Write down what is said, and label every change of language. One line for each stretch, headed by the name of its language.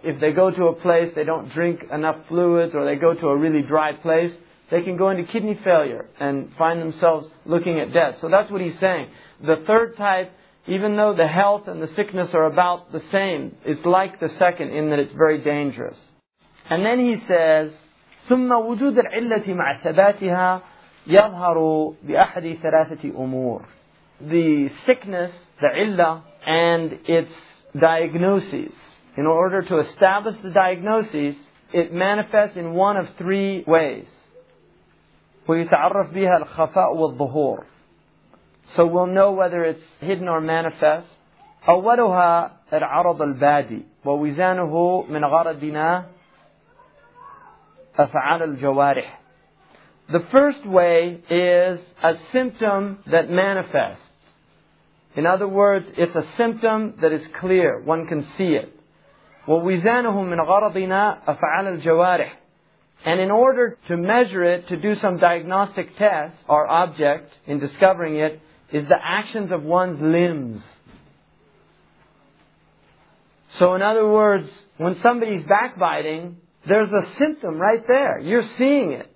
English: If they go to a place, they don't drink enough fluids, or they go to a really dry place, they can go into kidney failure and find themselves looking at death. So that's what he's saying. The third type, even though the health and the sickness are about the same, it's like the second in that it's very dangerous. And then he says,
Arabic: ثُمَّ وُجُودَ الْعِلَّةِ مَعَ ثَبَاتِهَا يَظْهَرُ بِأَحَدِ ثَلَاثَةِ أُمُورِ.
English: The sickness, the illah, and its diagnosis. In order to establish the diagnosis, it manifests in one of three ways.
Arabic: وَيُتَعَرَّفْ بِهَا الْخَفَاءُ وَالظُّهُورِ.
English: So we'll know whether it's hidden or manifest.
Arabic: أولها العرض البادي ووزانه من غرضنا أفعال الجوارح.
English: The first way is a symptom that manifests. In other words, it's a symptom that is clear. One can see it.
Arabic: ووزانه من غرضنا أفعال الجوارح.
English: And in order to measure it, to do some diagnostic test, our object in discovering it is the actions of one's limbs. So in other words, when somebody's backbiting, there's a symptom right there. You're seeing it.